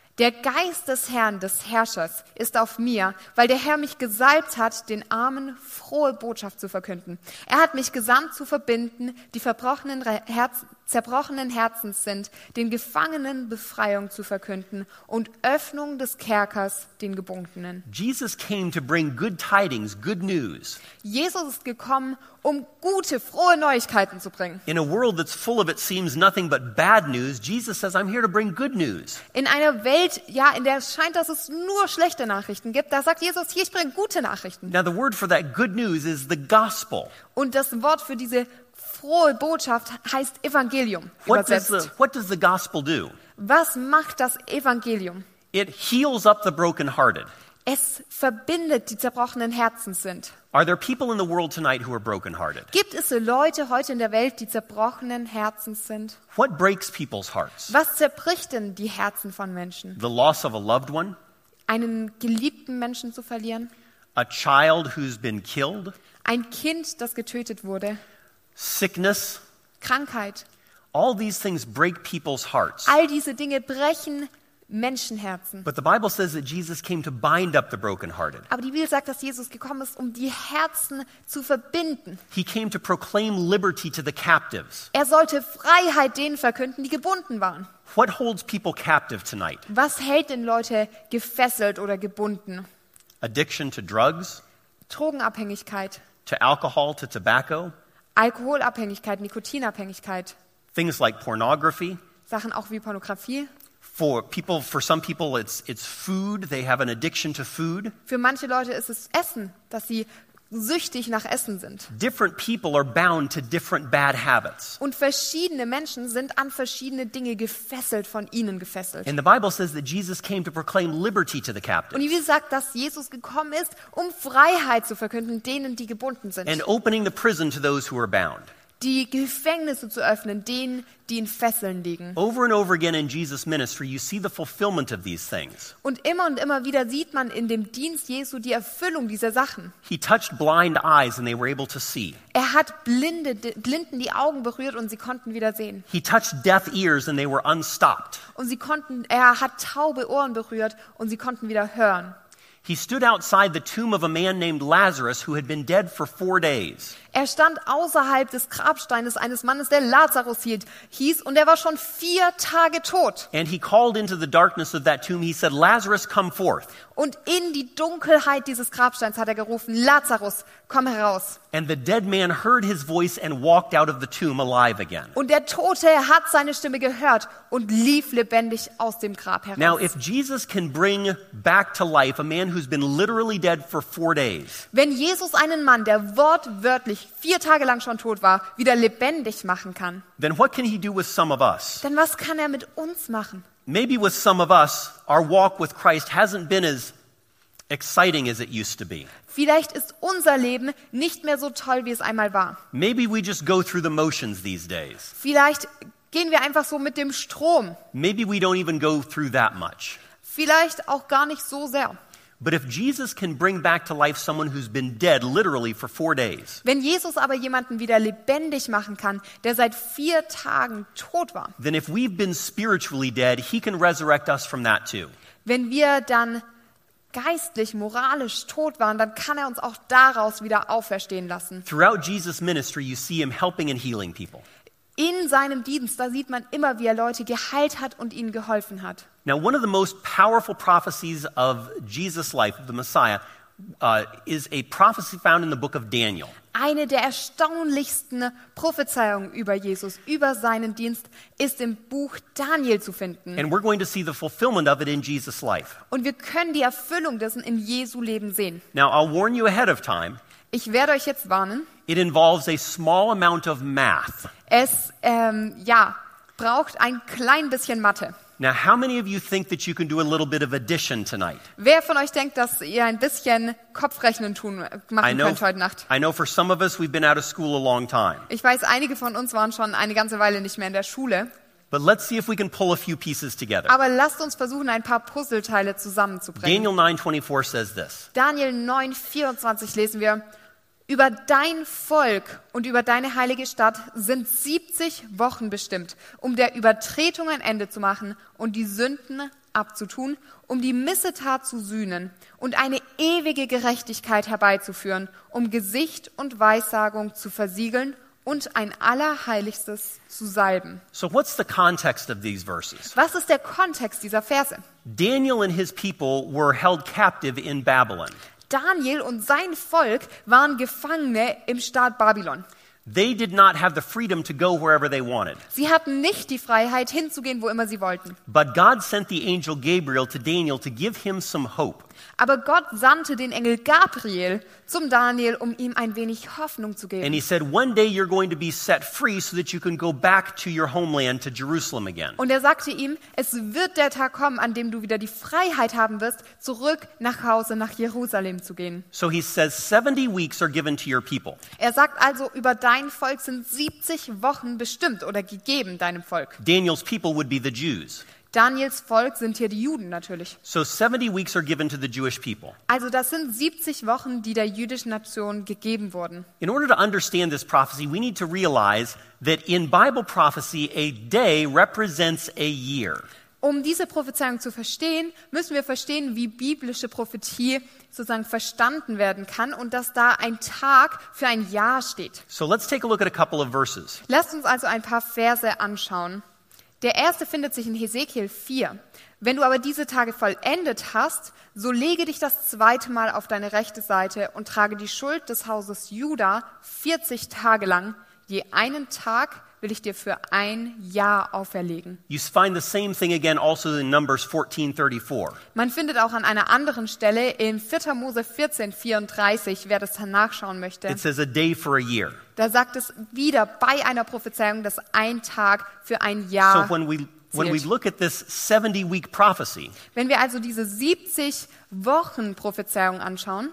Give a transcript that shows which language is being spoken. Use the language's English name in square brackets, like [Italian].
[German] Der Geist des Herrn, des Herrschers, ist auf mir, weil der Herr mich gesalbt hat, den Armen frohe Botschaft zu verkünden. Er hat mich gesandt zu verbinden, die zerbrochenen Herzens sind, den Gefangenen Befreiung zu verkünden und Öffnung des Kerkers den Gebundenen. [English] Jesus came to bring good tidings, good news. [German] Jesus ist gekommen, um gute, frohe Neuigkeiten zu bringen. [English] In a world that's full of it seems nothing but bad news, Jesus says, I'm here to bring good news. [German] In einer Welt, ja, in der es scheint, dass es nur schlechte Nachrichten gibt, da sagt Jesus, hier, ich bringe gute Nachrichten. [English] Now the word for that good news is the gospel. [German] Und das Wort für diese frohe Botschaft heißt Evangelium übersetzt. [English] What does the gospel do? [German] Was macht das Evangelium? [English] It heals up the brokenhearted. [German] Es verbindet die zerbrochenen Herzen sind. [English] Are there people in the world tonight who are brokenhearted? [German] Gibt es Leute heute in der Welt, die zerbrochenen Herzen sind? [English] What breaks people's hearts? [German] Was zerbricht denn die Herzen von Menschen? [English] The loss of a loved one? [German] Einen geliebten Menschen zu verlieren? [English] A child who's been killed? [German] Ein Kind, das getötet wurde? [English] Sickness, [German] Krankheit. [English] All these things break people's hearts. [German] All diese Dinge brechen Menschenherzen. [English] But the Bible says that Jesus came to bind up the brokenhearted. [German] Aber die Bibel sagt, dass Jesus gekommen ist, um die Herzen zu verbinden. [English] He came to proclaim liberty to the captives. [German] Er sollte Freiheit denen verkünden, die gebunden waren. [English] What holds people captive tonight? [German] Was hält denn Leute gefesselt oder gebunden? [English] Addiction to drugs. [German] Drogenabhängigkeit. [English] To alcohol, to tobacco. [German] Alkoholabhängigkeit, Nikotinabhängigkeit. [English] Things like pornography. [German] Sachen auch wie Pornografie. [English] For some people it's food, they have an addiction to food. [German] Für manche Leute ist es Essen, dass sie süchtig nach Essen sind. [English] Different people are bound to different bad habits. [German] Und verschiedene Menschen sind an verschiedene Dinge gefesselt, von ihnen gefesselt. [English] And the Bible says that Jesus came to proclaim liberty to the captives. [German] Und die Bibel sagt, dass Jesus gekommen ist, um Freiheit zu verkünden denen, die gebunden sind. [English] And opening the prison to those who are bound. [German] Die Gefängnisse zu öffnen denen, die in Fesseln liegen. [English] Over and over again in Jesus' ministry, you see the fulfillment of these things. [German] Und immer wieder sieht man in dem Dienst Jesu die Erfüllung dieser Sachen. [English] He touched blind eyes and they were able to see. [German] Er hat Blinden die Augen berührt und sie konnten wieder sehen. [English] He touched deaf ears and they were unstopped. [German] Und er hat taube Ohren berührt und sie konnten wieder hören. [English] He stood outside the tomb of a man named Lazarus who had been dead for 4 days. [German] Er stand außerhalb des Grabsteines eines Mannes, der Lazarus hieß, und er war schon 4 Tage tot. [English] And he called into the darkness of that tomb. He said, "Lazarus, come forth." [German] Und in die Dunkelheit dieses Grabsteins hat er gerufen, "Lazarus, komm heraus." [English] And the dead man heard his voice and walked out of the tomb alive again. [German] Und der Tote hat seine Stimme gehört und lief lebendig aus dem Grab heraus. [English] Now, if Jesus can bring back to life a man who's been literally dead for 4 days. [German] Wenn Jesus einen Mann, der wortwörtlich 4 Tage lang schon tot war, wieder lebendig machen kann. [English] Then what can he do with some of us? [German] Dann was kann er mit uns machen? [English] Maybe with some of us, our walk with Christ hasn't been as exciting as it used to be. [German] Vielleicht ist unser Leben nicht mehr so toll, wie es einmal war. [English] Maybe we just go through the motions these days. [German] Vielleicht gehen wir einfach so mit dem Strom. [English] Maybe we don't even go through that much. [German] Vielleicht auch gar nicht so sehr. [English] But if Jesus can bring back to life someone who's been dead literally for 4 days. [German] Wenn Jesus aber jemanden wieder lebendig machen kann, der seit 4 Tagen tot war. [English] Then if we've been spiritually dead, he can resurrect us from that too. [German] Wenn wir dann geistlich, moralisch tot waren, dann kann er uns auch daraus wieder auferstehen lassen. [English] Throughout Jesus' ministry, you see him helping and healing people. [German] In seinem Dienst, da sieht man immer, wie er Leute geheilt hat und ihnen geholfen hat. [English] Now, one of the most powerful prophecies of Jesus' life, the Messiah, is a prophecy found in the book of Daniel. [German] Eine der erstaunlichsten Prophezeiungen über Jesus, über seinen Dienst, ist im Buch Daniel zu finden. [English] And we're going to see the fulfillment of it in Jesus' life. [German] Und wir können die Erfüllung dessen in Jesu Leben sehen. [English] Now, I'll warn you ahead of time. [German] Ich werde euch jetzt warnen. [English] It involves a small amount of math. [German] Es braucht ein klein bisschen Mathe. [English] Now, how many of you think that you can do a little bit of addition tonight? [German] Wer von euch denkt, dass ihr ein bisschen Kopfrechnen machen könnt heute Nacht? [English] I know for some of us, we've been out of school a long time. [German] Ich weiß, einige von uns waren schon eine ganze Weile nicht mehr in der Schule. [English] But let's see if we can pull a few pieces together. [German] Aber lasst uns versuchen, ein paar Puzzleteile zusammenzubringen. [English] Daniel 9:24 says this. [German] Daniel 9:24 lesen wir. Über dein Volk und über deine heilige Stadt sind 70 Wochen bestimmt, um der Übertretung ein Ende zu machen und die Sünden abzutun, um die Missetat zu sühnen und eine ewige Gerechtigkeit herbeizuführen, um Gesicht und Weissagung zu versiegeln und ein Allerheiligstes zu salben. [English] So what's the context of these verses? [German] Was ist der Kontext dieser Verse? [English] Daniel and his people were held captive in Babylon. [German] Daniel und sein Volk waren Gefangene im Staat Babylon. [English] They did not have the freedom to go wherever they wanted. [German] Sie hatten nicht die Freiheit hinzugehen, wo immer sie wollten. [English] But God sent the angel Gabriel to Daniel to give him some hope. [German] Aber Gott sandte den Engel Gabriel zum Daniel, um ihm ein wenig Hoffnung zu geben. [English] And he said, "One day you're going to be set free so that you can go back to your homeland, to Jerusalem again." [German] Und er sagte ihm, es wird der Tag kommen, an dem du wieder die Freiheit haben wirst, zurück nach Hause, nach Jerusalem zu gehen. [English] So he says, 70 weeks are given to your people. [German] Er sagt also, über dein Volk sind 70 Wochen bestimmt oder gegeben deinem Volk. [English] Daniel's people would be the Jews. [German] Daniels Volk sind hier die Juden natürlich. [English] So 70 weeks are given to the Jewish people. [German] Also das sind 70 Wochen, die der jüdischen Nation gegeben wurden. [English] In order to understand this prophecy, we need to realize that in Bible prophecy a day represents a year. [German] Um diese Prophezeiung zu verstehen, müssen wir verstehen, wie biblische Prophetie sozusagen verstanden werden kann und dass da ein Tag für ein Jahr steht. [English] So let's take a look at a couple of verses. [German] Lasst uns also ein paar Verse anschauen. Der erste findet sich in Hesekiel 4. Wenn du aber diese Tage vollendet hast, so lege dich das zweite Mal auf deine rechte Seite und trage die Schuld des Hauses Juda 40 Tage lang. Je einen Tag will ich dir für ein Jahr auferlegen. [English] You find the same thing again also in Numbers 14:34. [German] Man findet auch an einer anderen Stelle in 4. Mose 14:34, wer das nachschauen möchte. [English] It says a day for a year. [German] Da sagt es wieder bei einer Prophezeiung, dass ein Tag für ein Jahr zählt. [English] So when we look at this 70-week prophecy, [German] wenn wir also diese 70 Wochen Prophezeiung anschauen,